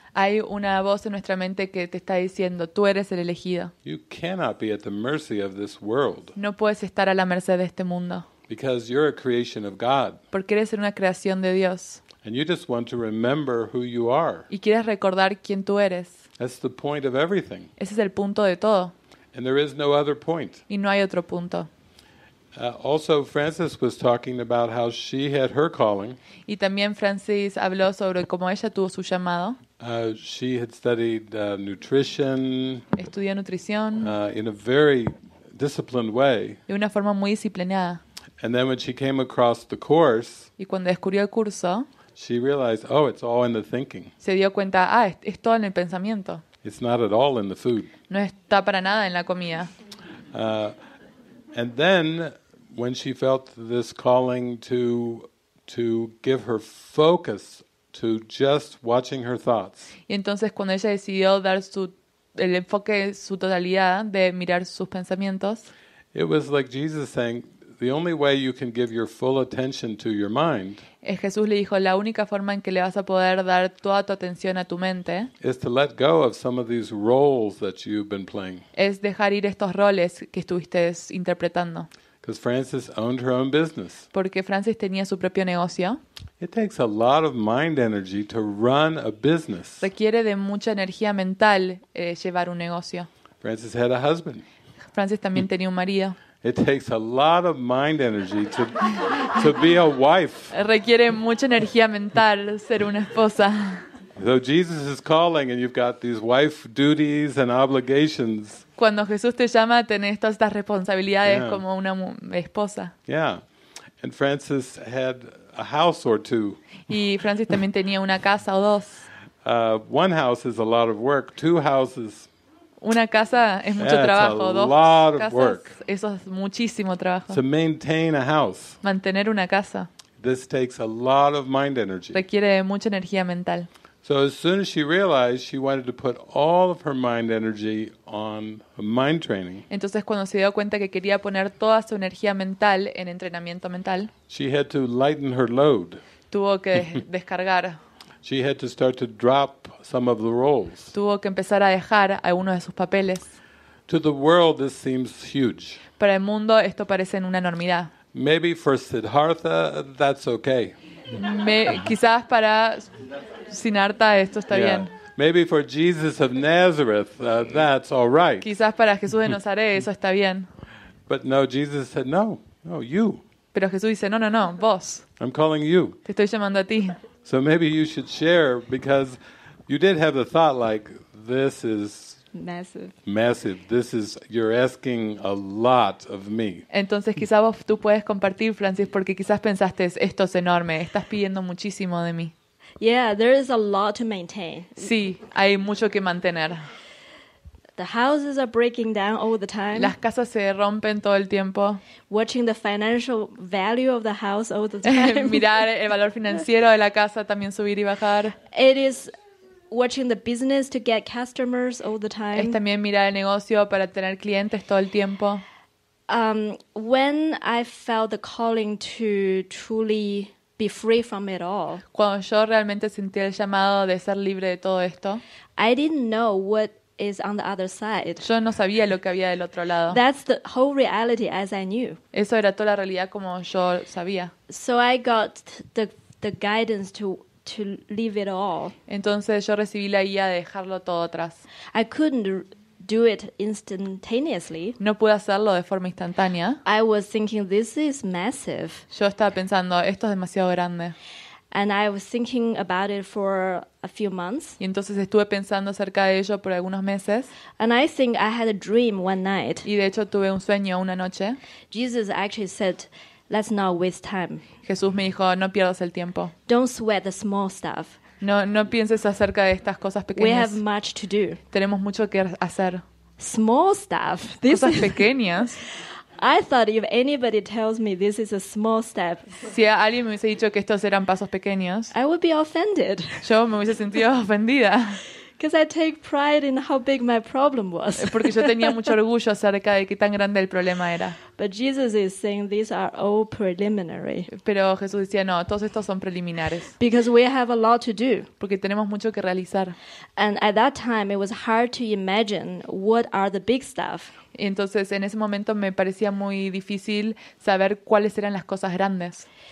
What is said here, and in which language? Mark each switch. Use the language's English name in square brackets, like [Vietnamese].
[Spanish] Hay una voz en nuestra mente que te está diciendo tú eres el elegido. [English] You cannot be at the mercy of this world. [Spanish] No puedes estar a la merced de este mundo. [English] Because you're a creation of God. [Spanish] Porque eres una creación de Dios. [English] And you just want to remember who you are. [Spanish] Y quieres recordar quién tú eres. [English] That's the point of everything. [Spanish] Ese es el punto de todo. [English] And there is no other point. [Spanish] Y no hay otro punto. [English] Also, Frances was talking about how she had her calling. [Spanish] Y también Frances habló sobre cómo ella tuvo su llamado. [English] She had studied nutrition. [Spanish] Estudió nutrición. [English] In a very disciplined way. [Spanish] De una forma muy disciplinada. [English] And then when she came across the course. [Spanish] Y cuando descubrió el curso. [English] She realized, oh, it's all in the thinking. [Spanish] Se dio cuenta, ah, es todo en el pensamiento. [English] It's not at all in the food. [Spanish] No está para nada en la comida. [English] And then, when she felt this calling to give her focus to just watching her thoughts. [Spanish] Y entonces cuando ella decidió dar el enfoque su totalidad de mirar sus pensamientos. [English] It was like Jesus saying. The only way you can give your full attention to your mind. [Spanish] Jesús le dijo, la única forma en que le vas a poder dar toda tu atención a tu mente. [English] Is to let go of some of these roles that you've been playing. [Spanish] Es dejar ir estos roles que estuviste interpretando. [English] Because Frances owned her own business. [Spanish] Porque Frances tenía su propio negocio. [English] It takes a lot of mind energy to run a business. [Spanish] Requiere de mucha energía mental llevar un negocio. [English] Frances had a husband. [Spanish] Frances también tenía un marido. [English] It takes a lot of mind energy to be a wife. [Spanish] Requiere mucha energía mental ser una esposa. [English] So Jesus is calling and you've got these wife duties and obligations. [Spanish] Cuando Jesús te llama, tenés todas estas responsabilidades como una esposa. [English] Yeah. And Francis had a house or two. [Spanish] Y Francis también tenía una casa o dos. [English] One house is a lot of work. Two houses. [Spanish] Una casa es mucho trabajo, dos casas, eso es muchísimo trabajo. [English] To maintain a house. [Spanish] Mantener una casa. [English] This takes a lot of mind energy. [Spanish] Requiere mucha energía mental. [English] So as soon as she realized she wanted to put all of her mind energy on mind training. [Spanish] Entonces cuando se dio cuenta que quería poner toda su energía mental en entrenamiento mental. [English] She had to lighten her load. [Spanish] Tuvo que descargar. [English] She had to start to drop some of the roles. [Spanish] Tuvo que empezar a dejar algunos de sus papeles. [English] To the world, this seems huge. [Spanish] Para el mundo, esto parece una enormidad. [English] Maybe for Siddhartha, that's okay. [Spanish] Quizás para Siddhartha esto está bien. [English] Maybe for Jesus of Nazareth, that's all right. [Spanish] Quizás para Jesús de Nazaret eso está bien. [English] But no, Jesus said, no, you. [Spanish] Pero Jesús dice, no, vos. [English] I'm calling you. [Spanish] Te estoy llamando a ti. [English] So maybe you should share because You did have the thought like, this is massive. This is, you're asking a lot of me. [Spanish] Entonces quizás vos tú puedes compartir, Francis, porque quizás pensaste, esto es enorme, estás pidiendo muchísimo de mí. [English] Yeah, there is a lot to maintain. [Spanish] Sí, hay mucho que mantener. [English] The houses are breaking down all the time. [Spanish] Las casas se rompen todo el tiempo. [English] Watching the financial value of the house all the time. [Spanish] Mirar el valor financiero de la casa también subir y bajar. [English] It is watching the business to get customers all the time. [Spanish] Es también mirar el negocio para tener clientes todo el tiempo. [English] When I felt the calling to truly be free from it all. [Spanish] Cuando yo realmente sentí el llamado de ser libre de todo esto. [English] I didn't know what is on the other side. [Spanish] Yo no sabía lo que había del otro lado. [English] That's the whole reality as I knew. [Spanish] Eso era toda la realidad como yo sabía. [English] So I got the guidance to leave it all. [Spanish] Entonces yo recibí la guía de dejarlo todo atrás. [English] I couldn't do it instantaneously. [Spanish] No pude hacerlo de forma instantánea. [English] I was thinking this is massive. [Spanish] Yo estaba pensando esto es demasiado grande. [English] And I was thinking about it for a few months. [Spanish] Y entonces estuve pensando acerca de ello por algunos meses. [English] And I think I had a dream one night. [Spanish] Y de hecho tuve un sueño una noche. [English] Jesus actually said, "Let's not waste time." [Spanish] Jesús me dijo, "No pierdas el tiempo." [English] Don't sweat the small stuff. [Spanish] No pienses acerca de estas cosas pequeñas. [English] We have much to do. [Spanish] Tenemos mucho que hacer. [English] Small stuff. [Spanish] Cosas pequeñas. [English] I thought if anybody tells me this is a small step, [Spanish] si alguien me hubiese dicho que estos eran pasos pequeños, [English] I would be offended. [Spanish] Yo me hubiese sentido ofendida. [English] Because I take pride in how big my problem was. [Spanish] Porque yo tenía mucho orgullo acerca de qué tan grande el problema era. [English] But Jesus is saying these are all preliminary. [Spanish] Pero Jesús decía no, todos estos son preliminares. [English] Because we have a lot to do. [Spanish] Porque tenemos mucho que realizar. [English] And at that time it was hard to imagine what are the big stuff. [Spanish] Y entonces en ese momento me parecía muy difícil saber cuáles eran las cosas grandes.